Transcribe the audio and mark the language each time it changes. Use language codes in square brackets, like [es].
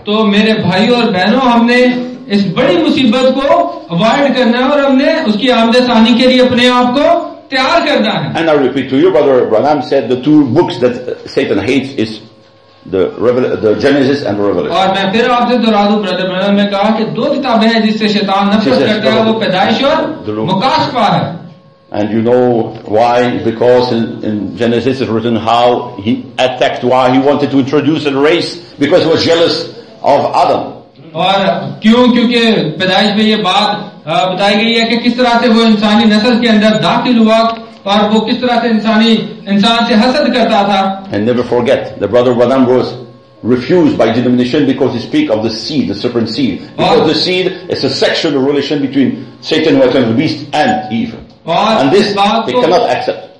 [hi] तो मेरे भाई और बहनों, हमने इस बड़ी मुसीबत को अवॉइड करना है और हमने उसकी आमदेसानी के लिए अपने आप को तैयार करना है. [en] And I repeat to you, Brother Branham said the two books that Satan hates is the Genesis and the Revelation. [hi] और मैं फिर आपसे दोहरा दूं, Brother Branham ने कहा कि दो किताबें हैं जिससे शैतान नफरत करता है, वो पैदाइश और मुकाशफा है. [en] And you know why? Because in Genesis it's written how he attacked, why he wanted to introduce a race, because he was jealous of Adam. [hi] और क्यों? क्योंकि पैदाइश में ये बात बताई गई है कि किस तरह से वो इंसानी नस्ल के अंदर दाखिल हुआ और वो किस तरह से इंसान से हसद करता था. [en] And never forget, the brother Branham was refused by denomination because they speak of the seed, the serpent seed. Because the seed is a sexual relation between Satan, who is the beast, and Eve. And this they cannot accept.